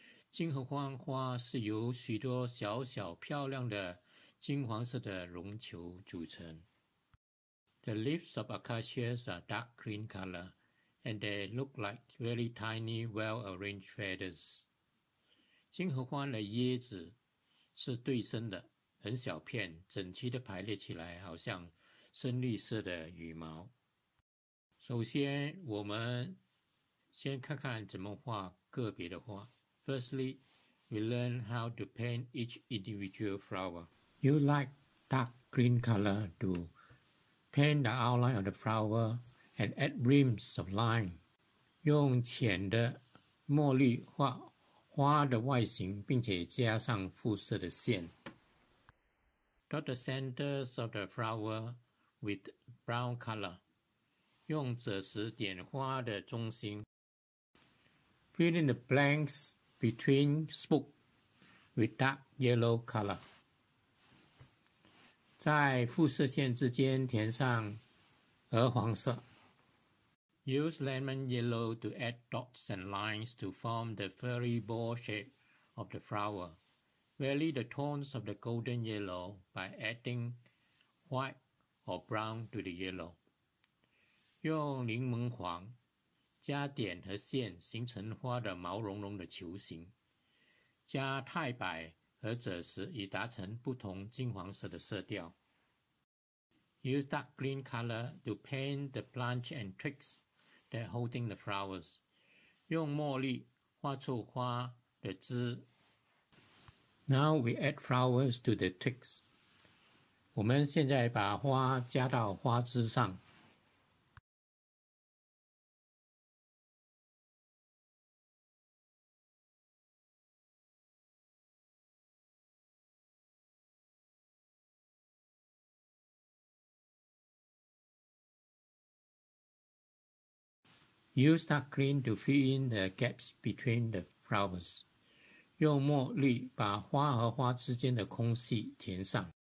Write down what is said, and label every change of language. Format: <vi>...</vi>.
<zh>金合欢花是由许多小小漂亮的金黄色的绒球组成。</zh> <en>The leaves of acacias are dark green color, and they look like very tiny, well-arranged feathers.</en> <zh>金合欢的叶子是对生的，很小片，整齐地排列起来，好像深绿色的羽毛。首先，我们先看看怎么画个别的花。</zh> <en>Firstly, we learn how to paint each individual flower. You like dark green color to paint the outline of the flower and add rims of line.</en> <zh>用浅的墨绿画花的外形，并且加上复色的线。</zh> <en>Dot the centers of the flower with brown color.</en> <zh>用赭石点花的中心。</zh> <en>Fill in the blanks between spokes with dark yellow color.</en> <zh>在复色线之间填上鹅黄色。</zh> <en>Use lemon yellow to add dots and lines to form the furry ball shape of the flower. Vary the tones of the golden yellow by adding white or brown to the yellow.</en> <zh>用柠檬黄加点和线形成花的毛茸茸的球形。加太白和赭石以达成不同金黄色的色调。</zh> <en>Use dark green color to paint the branch and twigs. They're holding the flowers.</en> <zh>用墨绿画出花的枝。</zh> <en>Now we add flowers to the twigs.</en> <zh>我们现在把花加到花枝上。</zh> <en>Use dark green to fill in the gaps between the flowers.</en> <zh>用墨绿把花和花之间的空隙填上。</zh>